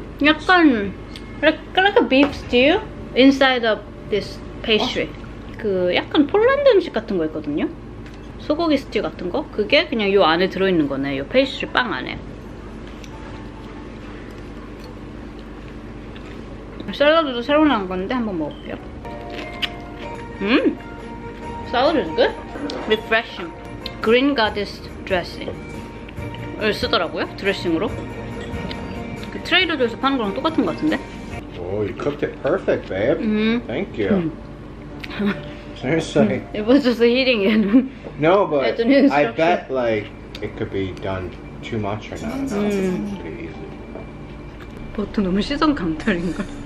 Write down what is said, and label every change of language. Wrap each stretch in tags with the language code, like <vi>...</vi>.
<en>약간 like a beef stew inside of this pastry.</en> <ko>어? 그 약간 폴란드 음식 같은 거 있거든요. 소고기 스튜 같은 거? 그게 그냥 요 안에 들어있는 거네. 요 페이스트리 빵 안에. 샐러드도 새로 나온 건데 한번 먹어볼게요.</ko> <en>샐러드 is good?</en> <ko>Refreshing. Green Goddess Dressing을 쓰더라고요. 드레싱으로. 그 트레이더조에서 파는 거랑 똑같은 거 같은데?</ko> <en>Oh, you cooked it perfect, babe. Thank you. Seriously. It was just heating it. No, but I bet like it could be done too much or not. It's pretty easy.</en> <ko>버터 너무 시선 감탈인가?</ko>